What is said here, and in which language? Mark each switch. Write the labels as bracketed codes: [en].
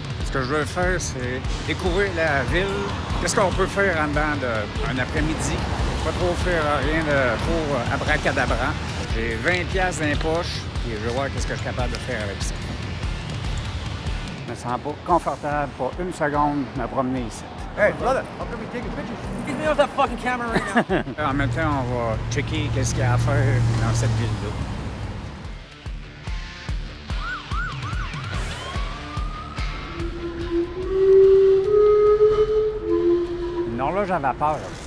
[fr] Ce que je veux faire, c'est découvrir la ville. Qu'est-ce qu'on peut faire en dedans d'un après-midi? Pas trop faire rien de trop abracadabrant. J'ai 20$ dans les poches et je vais voir ce que je suis capable de faire avec ça. Je me sens pas confortable pour une seconde de me promener ici. [en] Hey, brother, how can we take a picture? Give me off that fucking camera right now. [fr] En même temps, on va checker qu'est-ce qu'il y a à faire dans cette ville-là. Non, là, j'avais peur.